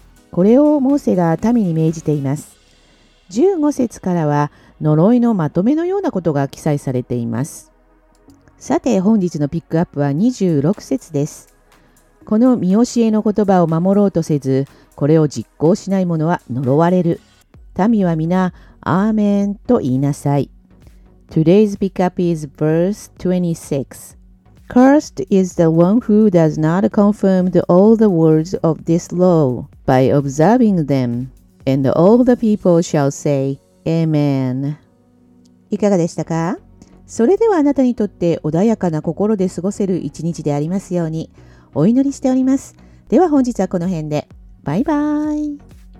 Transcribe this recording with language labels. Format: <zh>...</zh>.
<ja>これをモーセが民に命じています。15節からは呪いのまとめのようなことが記載されています。さて、本日のピックアップは26節です。この御教えの言葉を守ろうとせず、これを実行しない者は呪われる。民は皆、アーメンと言いなさい。</ja> <en>Today's pickup is verse 26. Cursed is the one who does not confirm all the words of this law by observing them, and all the people shall say, Amen.</en> <ja>いかがでしたか？それではあなたにとって穏やかな心で過ごせる一日でありますように、お祈りしております。では本日はこの辺で。バイバイ。</ja>